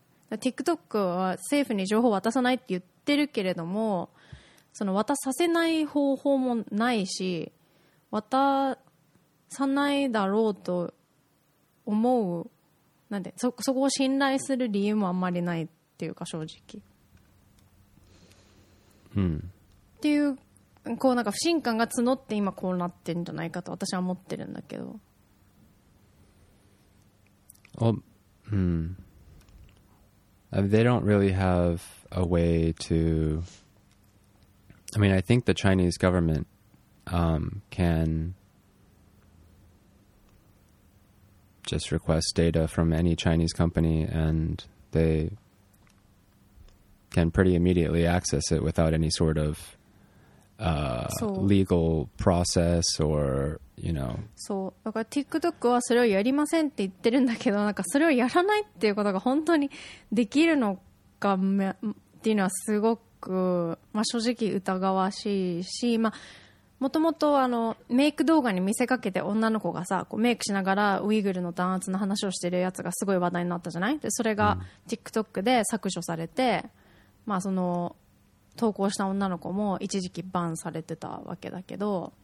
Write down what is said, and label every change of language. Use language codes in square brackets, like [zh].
[ja] TikTok は政府に情報を渡さないって言ってるけれども、その渡させない方法もないし渡さないだろうと思う、なんで そこを信頼する理由もあんまりないっていうか正直、うん、っていうこうなんか不信感が募って今こうなってるんじゃないかと私は思ってるんだけど。 [en] Well, they don't really have a way to. I mean, I think the Chinese government can just request data from any Chinese company and they can pretty immediately access it without any sort of legal process or. You know. [ja] そうだから TikTok はそれをやりませんって言ってるんだけど、なんかそれをやらないっていうことが本当にできるのかっていうのはすごく、まあ、正直疑わしいし、まあ、もともとあのメイク動画に見せかけて女の子がさこうメイクしながらウイグルの弾圧の話をしてるやつがすごい話題になったじゃない。でそれが TikTok で削除されて、まあ、その投稿した女の子も一時期バンされてたわけだけど、